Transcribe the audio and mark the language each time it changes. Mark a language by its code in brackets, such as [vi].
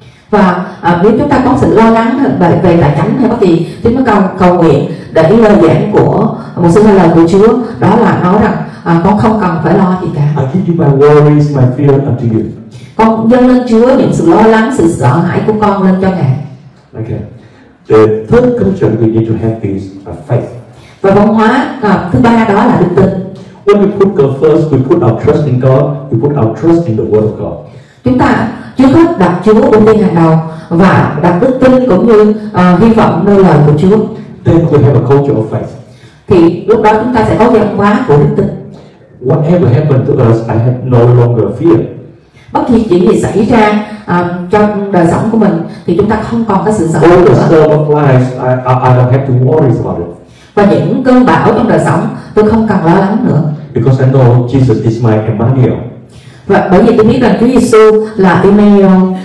[vi] Và nếu chúng ta có sự lo lắng về tài chính hay bất kỳ, thì chúng ta cầu nguyện để cái lời giảng của một sự lời của Chúa đó là nói rằng con không cần phải lo gì cả. [en] I give you my worries, my fear unto you. [vi] Con dâng lên Chúa những sự lo lắng, sự sợ hãi của con lên cho Ngài. [en] Okay. The third culture we need to have is faith. [vi] Và văn hóa thứ ba đó là đức tin. [en] When we put God first, we put our trust in God, we put our trust in the Word of God. [vi] Chúng ta trước hết đặt Chúa ưu tiên hàng đầu và đặt đức tin cũng như hy vọng nơi lời của Chúa. [en] Then we have a culture of faith. [vi] Thì lúc đó chúng ta sẽ có văn hóa của đức tin. [en] Whatever happened to us, I have no longer fear. [vi] Bất kỳ chuyện gì xảy ra trong đời sống của mình thì chúng ta không còn có sự sợ hãi. [en] All the storm of life, I don't have to worry about it. [vi] Và những cơn bão trong đời sống, tôi không cần lo lắng nữa. [en] Because I know Jesus is my Emmanuel. [vi] Và bởi vì tôi biết rằng Chúa Giêsu là Emmanuel.